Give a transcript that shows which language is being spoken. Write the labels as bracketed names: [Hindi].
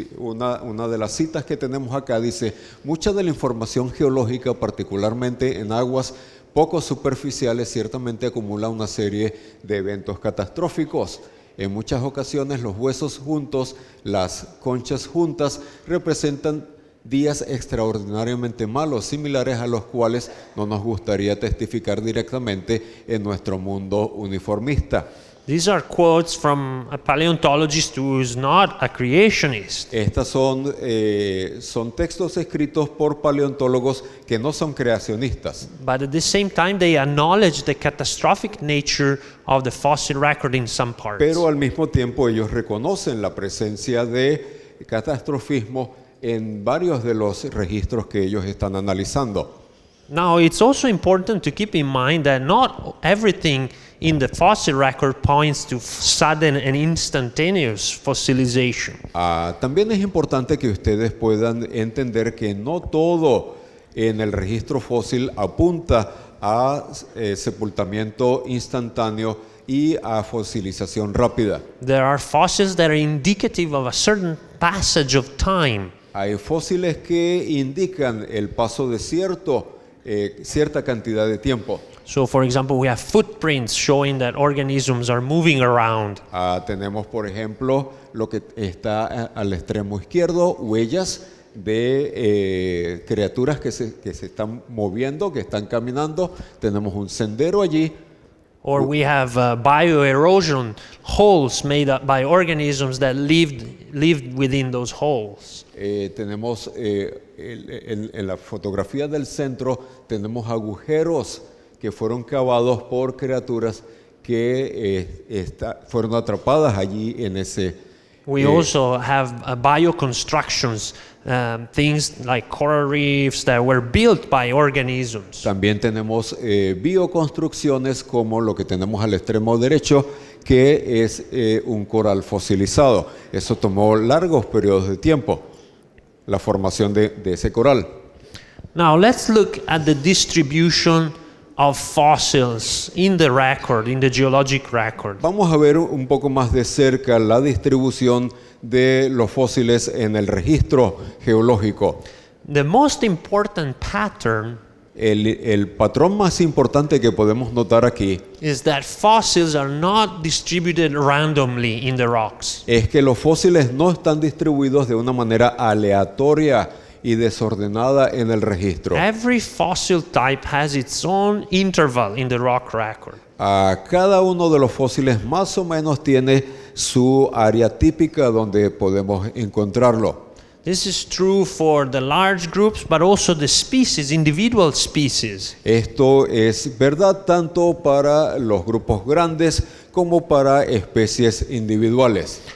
[Spanish] Una de las citas que tenemos acá dice: mucha de la información geológica, particularmente en aguas poco superficiales, ciertamente acumula una serie de eventos catastróficos. En muchas ocasiones, los huesos juntos, las conchas juntas, representan días extraordinariamente malos, similares a los cuales no nos gustaría testificar directamente en nuestro mundo uniformista. [English] These are quotes from a paleontologist who is not a creationist. [Spanish] Estas son textos escritos por paleontólogos que no son creacionistas. [English] But at the same time, they acknowledge the catastrophic nature of the fossil record in some parts. [Spanish] Pero al mismo tiempo, ellos reconocen la presencia de catastrofismo en varios de los registros que ellos están analizando. [English] Now, it's also important to keep in mind that not everything in the fossil record points to sudden and instantaneous fossilization. [Spanish] También es importante que ustedes puedan entender que no todo en el registro fósil apunta a sepultamiento instantáneo y a fosilización rápida. [English] There are fossils that are indicative of a certain passage of time. [Spanish] Hay fósiles que indican el paso de cierta cantidad de tiempo. [English] So, for example, we have footprints showing that organisms are moving around. [Spanish] Tenemos, por ejemplo, lo que está al extremo izquierdo, huellas de criaturas que se están moviendo, que están caminando. Tenemos un sendero allí. [English] Or we have bioerosion holes made up by organisms that lived within those holes. [Spanish] Tenemos en la fotografía del centro tenemos agujeros que fueron cavados por criaturas que fueron atrapadas allí en ese. [English] We also have bioconstructions, things like coral reefs that were built by organisms. [Spanish] También tenemos bioconstrucciones como lo que tenemos al extremo derecho, que es un coral fosilizado. Eso tomó largos periodos de tiempo, la formación de ese coral. [English] Now let's look at the distribution of fossils in the record, in the geologic record. [Spanish] Vamos a ver un poco más de cerca la distribución de los fósiles en el registro geológico. [English] The most important pattern, [Spanish] el patrón más importante que podemos notar aquí, [English] is that fossils are not distributed randomly in the rocks. [Spanish] Es que los fósiles no están distribuidos de una manera aleatoria y desordenada en el registro. [English] Every fossil type has its own interval in the rock record. [Spanish] A cada uno de los fósiles más o menos tiene su área típica donde podemos encontrarlo. [English] This is true for the large groups, but also the species, individual species. [Spanish] Esto es verdad tanto para los grupos grandes como para especies individuales.